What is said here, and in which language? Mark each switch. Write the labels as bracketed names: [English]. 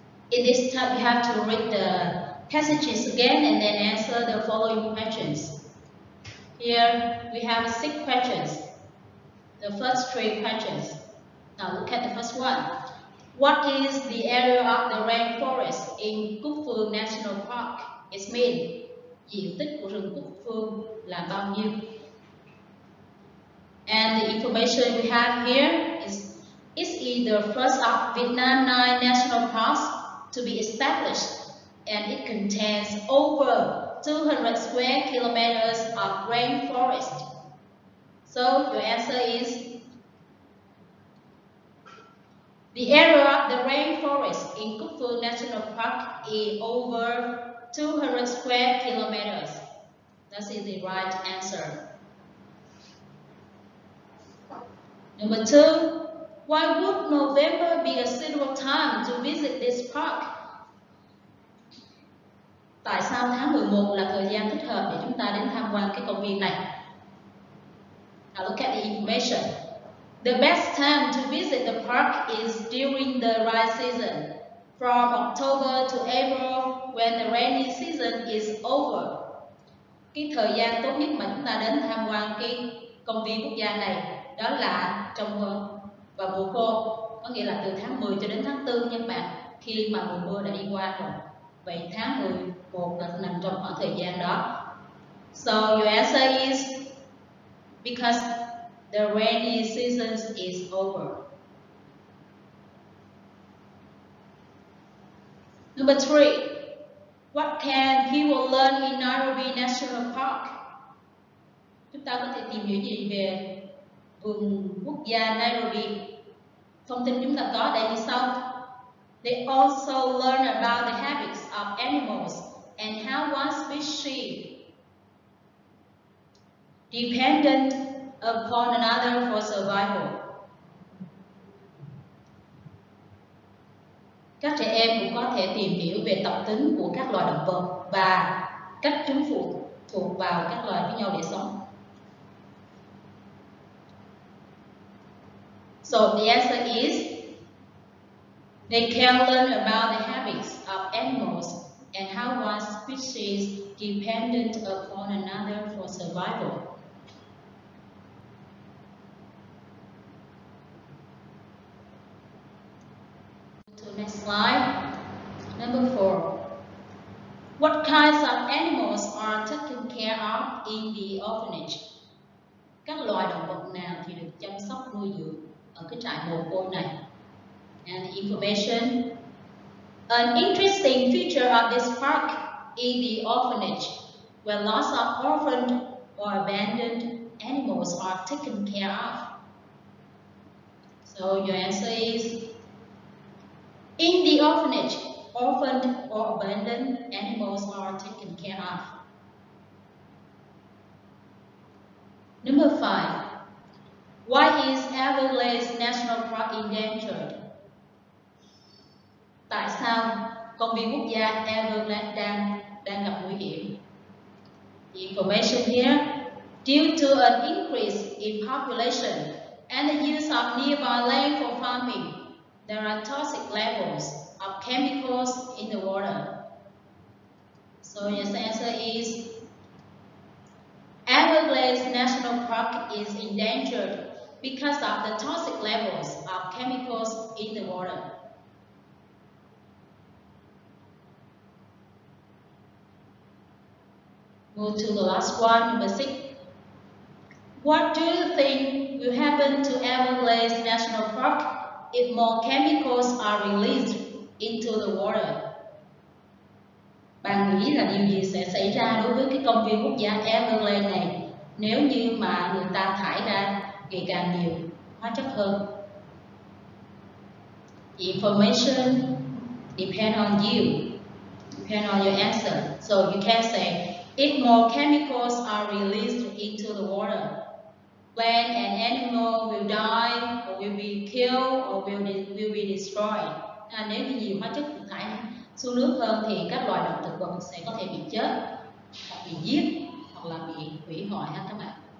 [English] In this task, you have to read the passages again and then answer the following questions. Here we have 6 questions. The first 3 questions. Now look at the first one. What is the area of the rainforest in Cúc Phương National Park? It's mean [Vietnamese] diện tích của rừng Cúc Phương là bao nhiêu? [English] And the information we have here is it's the first of Vietnam 9 national parks to be established, and it contains over 200 square kilometers of rainforest. So your answer is the area of the rainforest in Cúc Phương National Park is over 200 square kilometers. That is the right answer. Number 2. Why would November be a suitable time to visit this park? [Vietnamese] Tại sao tháng 11 là thời gian thích hợp để chúng ta đến tham quan cái công viên này? [English] Now look at the information. The best time to visit the park is during the dry season, from October to April when the rainy season is over. [Vietnamese] Cái thời gian tốt nhất mà chúng ta đến tham quan cái công viên quốc gia này đó là trong và mùa khô, có nghĩa là từ tháng 10 cho đến tháng 4, nhưng mà khi mà mùa mưa đã đi qua rồi. Vậy tháng 11 là nằm trong khoảng thời gian đó. [English] So your answer is because the rainy season is over. Number 3. What can people learn in Nairobi National Park? [Vietnamese] Chúng ta có thể tìm hiểu gì về vườn quốc gia Nairobi? Thông tin chúng ta có đây như sau. [English] They also learn about the habits of animals and how one species dependent upon another for survival. [Vietnamese] Các trẻ em cũng có thể tìm hiểu về tập tính của các loài động vật và cách chúng phụ thuộc vào các loài với nhau để sống. [English] So the answer is they can learn about the habits of animals and how one species dependent upon another for survival. To next slide. Number 4. What kinds of animals are taken care of in the orphanage? [Vietnamese] Các loài động vật nào thì được chăm sóc nuôi dưỡng ở cái trại mồ côi này? [English] And the information. An interesting feature of this park is the orphanage, where lots of orphaned or abandoned animals are taken care of. So your answer is in the orphanage, orphaned or abandoned animals are taken care of. Number 5. Why is Everglades National Park endangered? [Vietnamese] Tại sao công viên quốc gia Everglades đang gặp nguy hiểm? [English] The information here, due to an increase in population and the use of nearby land for farming. There are toxic levels of chemicals in the water. So his answer is, Everglades National Park is endangered because of the toxic levels of chemicals in the water. Move to the last one, number six. What do you think will happen to Everglades National Park if more chemicals are released into the water? [Vietnamese] Bạn nghĩ là điều gì sẽ xảy ra đối với cái công viên quốc gia Everglades này nếu như mà người ta thải ra ngày càng nhiều hóa chất hơn? [English] Information depend on you, depend on your answer. So you can say, if more chemicals are released into the water, when an animal will die or will be killed or will be destroyed. [Vietnamese] À, nếu như nhiều hóa chất được thải xuống nước hơn thì các loài động thực vật sẽ có thể bị chết, hoặc bị giết, hoặc là bị hủy hoại ha các bạn.